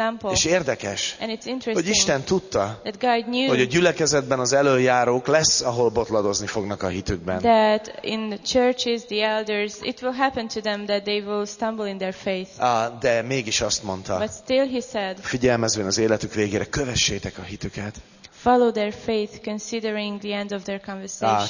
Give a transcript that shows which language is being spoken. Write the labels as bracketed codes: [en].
[hu] És érdekes, hogy Isten tudta, hogy a gyülekezetben az elöljárók lesz, ahol botladozni fognak a hitükben. [en] That in the churches, the elders, it will happen to them that they will stumble in their faith. [hu] De mégis azt mondta, [en] but still he said, [hu] figyelmezvén az életük végére, kövessétek a hitüket. [en] Follow their faith, considering the end of their conversation.